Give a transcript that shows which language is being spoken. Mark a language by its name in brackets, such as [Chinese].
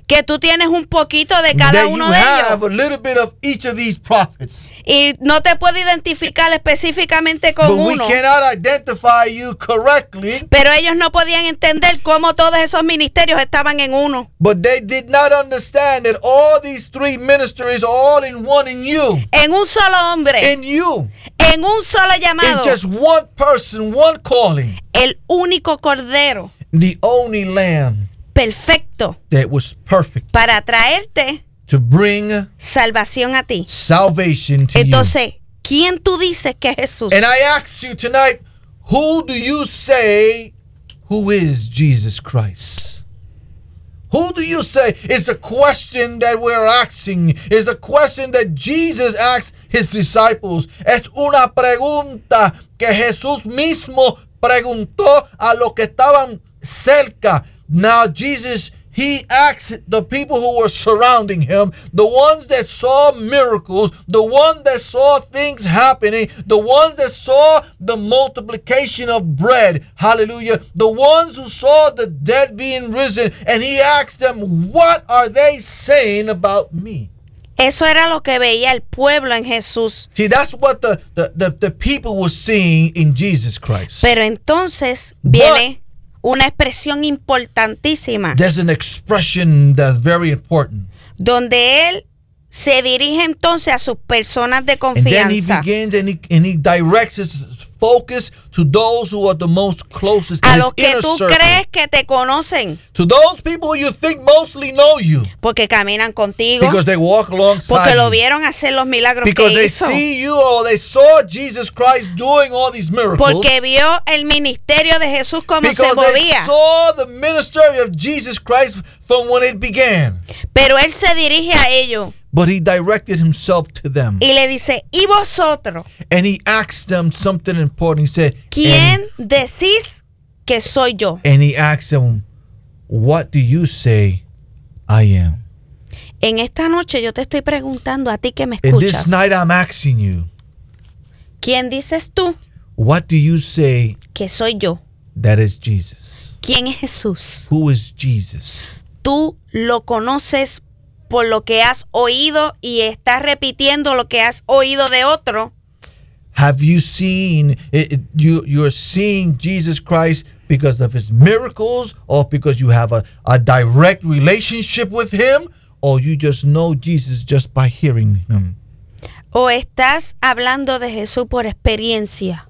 [Spanish] que tú tienes un poquito de cada uno de ellos. [English] You have a little bit of each of these prophets. [Spanish] Y no te puedo identificar específicamente con [English] but [Spanish] uno. [English] We cannot identify you correctly. [Spanish] Pero ellos no podían entender cómo todos esos ministerios estaban en uno. [English] But they did not understand that all these three ministries are all in one in you. [Spanish] En un solo hombre. [English] In you. [Spanish] En un solo llamado. [English] In just one person, one calling. [Spanish] El único cordero. [English] The only lamb. [Spanish] Perfecto. [English] That was perfect. [Spanish] Para traerte. [English] To bring. [Spanish] Salvación a ti. [English] Salvation to [Spanish] Entonces, [English] you. [Spanish] Entonces, ¿quién tú dices que es Jesús? [English] And I ask you tonight, who do you say, who is Jesus Christ? Who do you say? It's a question that we're asking. It's a question that Jesus asked his disciples. [Spanish] Es una pregunta que Jesús mismo preguntó a los que estaban cerca. [English] Now Jesus, he asked the people who were surrounding him, the ones that saw miracles, the ones that saw things happening, the ones that saw the multiplication of bread, hallelujah, the ones who saw the dead being risen, and he asked them, what are they saying about me? [Spanish] Eso era lo que veía el pueblo en Jesús. [English] See, that's what the people were seeing in Jesus Christ. [Spanish] Pero entonces viene una expresión importantísima. [English] There's an expression that's very important. [Spanish] Donde él se dirige entonces a sus personas de confianza. [English] And then he begins and he directs his focus to those who are the most closest. [Spanish] A los que tú crees que te conocen. [English] To those people you think mostly know you. [Spanish] Porque caminan contigo. [English] Because they walk alongside. [Spanish] Porque lo vieron hacer los milagros que hizo. [English] Because they see you or they saw Jesus Christ doing all these miracles. [Spanish] Porque vio el ministerio de Jesús cómo se movía. [English] Because they saw the ministry of Jesus Christ from when it began. [Spanish] Pero él se dirige a ellos. [English] But he directed himself to them. [Spanish] Y le dice, ¿y vosotros? [English] And he asked them something important. He said, [Spanish] ¿quién decís que soy yo? [English] And he asked them, what do you say I am? [Spanish] En esta noche yo te estoy preguntando a ti que me escuchas. [English] And this night I'm asking you. [Spanish] ¿Quién dices tú? [English] What do you say? [Spanish] Que soy yo. [English] That is Jesus. [Spanish] ¿Quién es Jesús? [English] Who is Jesus? [Spanish] Tú lo conoces por lo que has oído y estás repitiendo lo que has oído de otro. [English] Have you seen you're seeing Jesus Christ because of his miracles or because you have a direct relationship with him or you just know Jesus just by hearing him? [Spanish] O estás hablando de Jesús por experiencia.